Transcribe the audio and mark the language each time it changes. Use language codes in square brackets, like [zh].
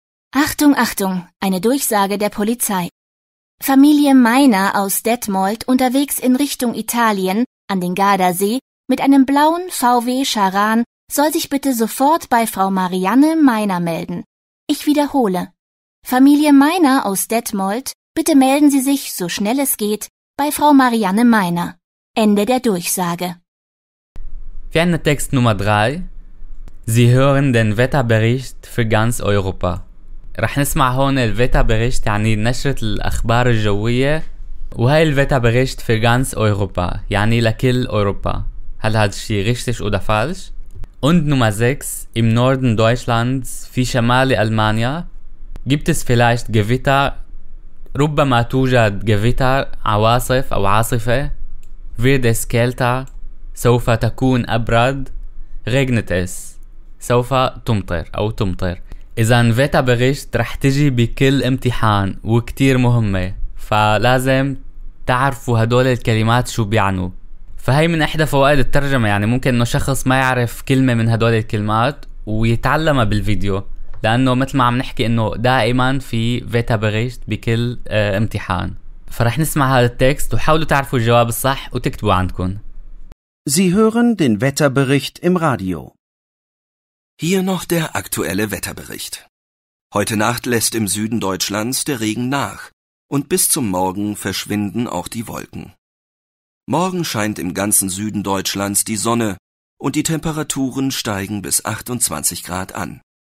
[de] Achtung, Achtung, eine Durchsage der Polizei. Familie Meiner aus Detmold unterwegs in Richtung Italien an den Gardasee mit einem blauen VW Charan soll sich bitte sofort bei Frau Marianne Meiner melden. Ich wiederhole. Familie Meiner aus Detmold, bitte melden Sie sich, so schnell es geht, bei Frau Marianne Meiner. Ende der Durchsage. Für einen Text Nummer 3. Sie hören den Wetterbericht für ganz Europa. [ar] رح نسمع هون الwetterbericht يعني نشرة الأخبار الجوية وهي الwetterbericht [de] für ganz Europa [ar] يعني لكل أوروبا. هل هذا الشيء [de] richtig oder falsch? Und Nummer 6. Im Norden Deutschlands, [ar] في شمال ألمانيا, [de] gibt es vielleicht Gewitter? [ar] ربما توجد Gewitter, عواصف أو عاصفة. [de] Wird es kälter? [ar] سوف تكون أبرد. [de] Regnet es? [ar] سوف تمطر أو تمطر. إذا الwetterbericht رح تجي بكل امتحان وكتير مهمة, فلازم تعرفوا هدول الكلمات شو بيعنوا. فهي من إحدى فوائد الترجمة, يعني ممكن إنه شخص ما يعرف كلمة من هدول الكلمات ويتعلمها بالفيديو, لأنه مثل ما عم نحكي إنه دائما في wetterbericht بكل امتحان. فرح نسمع هذا التكست وحاولوا تعرفوا الجواب الصح وتكتبوا عندكم. [de] Sie hören den Wetterbericht im Radio. Hier noch der aktuelle Wetterbericht. Heute Nacht lässt im Süden Deutschlands der Regen nach und bis zum Morgen verschwinden auch die Wolken. Morgen scheint im ganzen Süden Deutschlands die Sonne und die Temperaturen steigen bis 28 Grad an.